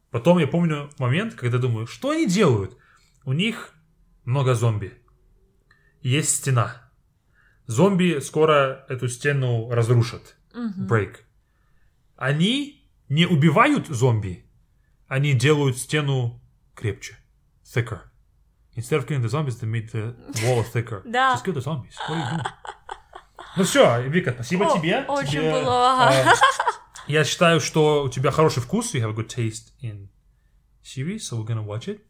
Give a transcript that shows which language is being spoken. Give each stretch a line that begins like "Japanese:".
Russian: Потом я помню момент, когда думаю, что они делают? У них много зомби. Есть стена. Зомби скоро эту стену разрушат. Mm-hmm.
English: Break.
Russian: Они не убивают зомби. Они делают стену крепче.
English: Thicker. Instead of killing the zombies, they made the wall thicker. Just kill the zombies. What are you doing?
Russian: Ну все, Вика, спасибо тебе. Очень было. Я считаю, что у тебя хороший вкус.
English: You have a good taste in series, so we're gonna watch it.